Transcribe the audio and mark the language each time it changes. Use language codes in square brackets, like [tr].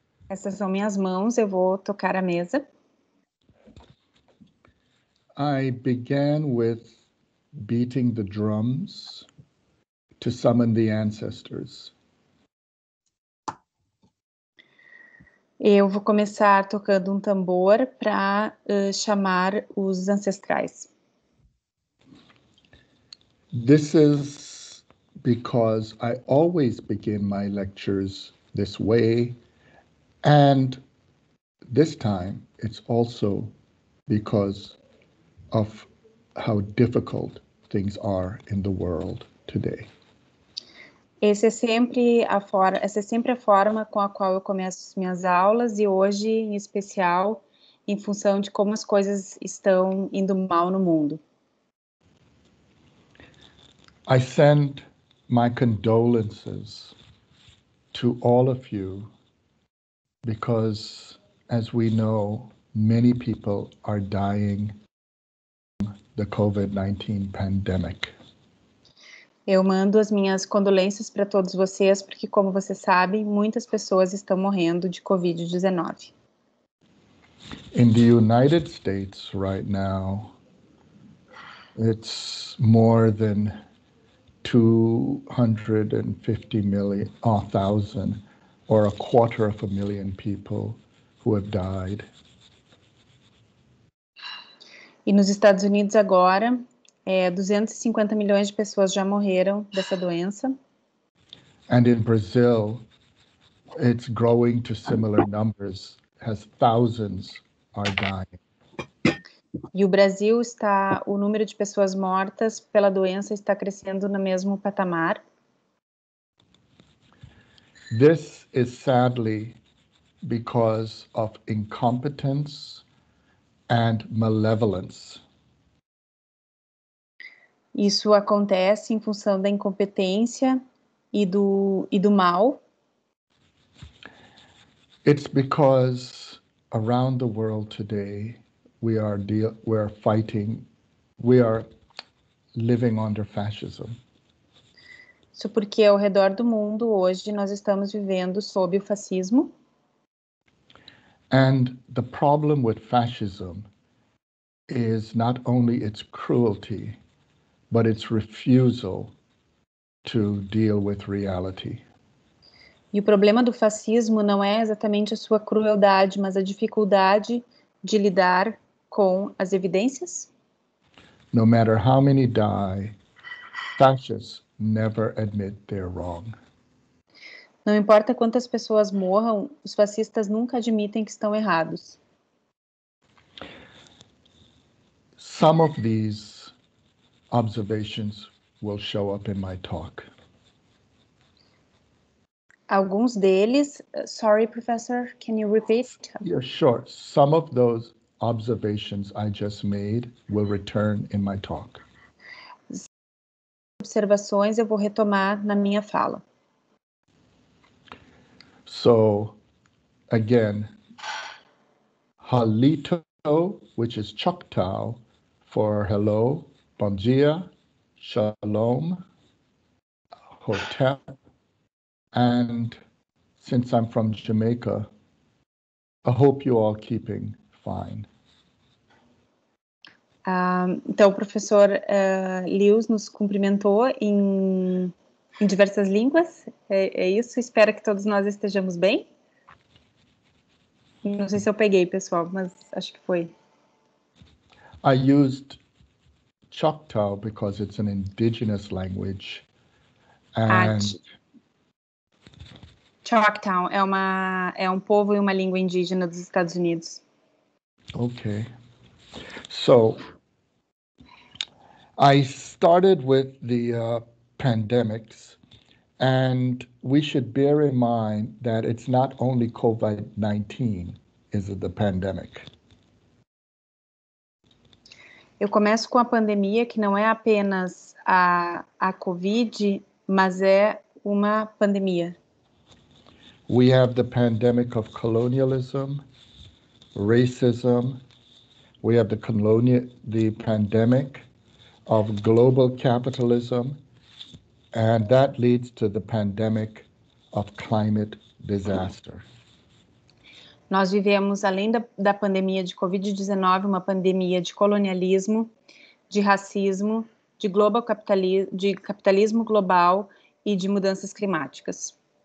[pt] Essas são minhas mãos, eu vou tocar a mesa. [en] I began with beating the drums to summon the ancestors. [pt] Eu vou começar tocando um tambor para chamar os ancestrais. [en] This is because I always begin my lectures this way. And this time, it's also because of how difficult things are in the world today. [pt] Essa é sempre a forma com a qual eu começo as minhas aulas, e hoje, em especial, em função de como as coisas estão indo mal no mundo. [en] I send my condolences to all of you, because, as we know, many people are dying from the COVID-19 pandemic. [pt] Eu mando as minhas condolências para todos vocês, porque, como vocês sabem, muitas pessoas estão morrendo de COVID-19. [en] In the United States right now, it's more than 250,000. Or a quarter of a million people who have died. [pt] E nos Estados Unidos agora, 250 milhões de pessoas já morreram dessa doença. [en] And in Brazil, it's growing to similar numbers, as thousands are dying. [pt] E o Brasil está, o número de pessoas mortas pela doença está crescendo no mesmo patamar. [en] This is sadly because of incompetence and malevolence. [pt] Isso acontece em função da incompetência e do mal. [en] It's because around the world today we are living under fascism. [pt] Isso porque ao redor do mundo hoje nós estamos vivendo sob o fascismo. [en] And the problem with fascism is not only its cruelty, but its refusal to deal with reality. [pt] E o problema do fascismo não é exatamente a sua crueldade, mas a dificuldade de lidar com as evidências. [en] No matter how many die, fascists never admit they're wrong. [pt] Não importa quantas pessoas morram, os fascistas nunca admitem que estão errados. [en] Some of these observations will show up in my talk. [pt] Alguns deles, [en] sorry, professor, can you repeat? Yeah, sure. Some of those observations I just made will return in my talk. [pt] Observações eu vou retomar na minha fala. [en] So, again, Halito, which is Choctaw, for hello, [pt] bom dia, [en] shalom, hotel, and since I'm from Jamaica, I hope you all keeping fine. [pt] Então, o professor Lewis nos cumprimentou em diversas línguas, é isso, espero que todos nós estejamos bem. Não sei se eu peguei, pessoal, mas acho que foi. [en] I used Choctaw because it's an indigenous language. [pt] Choctaw é um povo e uma língua indígena dos Estados Unidos. Ok. [en] So, I started with the pandemics, and we should bear in mind that it's not only COVID-19 is the pandemic. [pt] Eu começo com a pandemia, que não é apenas a COVID, mas é uma pandemia. [en] We have the pandemic of colonialism, racism. We have the pandemic of global capitalism, and that leads to the pandemic of climate disaster. [pt] Nós vivemos, além da pandemia de COVID-19, uma pandemia de colonialismo, de racismo, de capitalismo global e de mudanças climáticas.